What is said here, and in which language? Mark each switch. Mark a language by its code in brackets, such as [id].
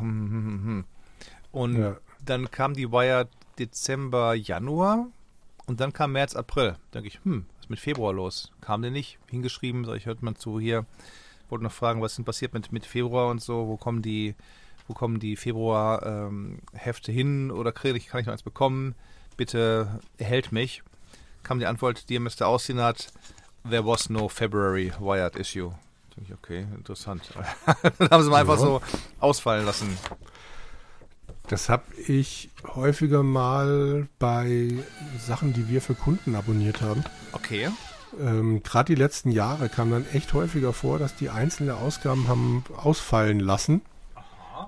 [de] Und dann kam die Wired Dezember, Januar und dann kam März, April. Da denke ich, was ist mit Februar los? Kam der nicht? Hingeschrieben, sag ich, hört man zu hier. Wollte noch fragen, was ist denn passiert mit Februar und so? Wo kommen die Februar-Hefte hin? Oder kann ich noch eins bekommen? Bitte erhält mich. Kam die Antwort, [en] dear Mr. Aussinat, there was no February Wired issue. [de] Da denke ich, okay, interessant. Dann haben sie mal einfach so ausfallen lassen. Das habe ich häufiger mal bei Sachen, die wir für Kunden abonniert haben. Okay. Gerade die letzten Jahre kam dann echt häufiger vor, dass die einzelne Ausgaben haben ausfallen lassen. Aha.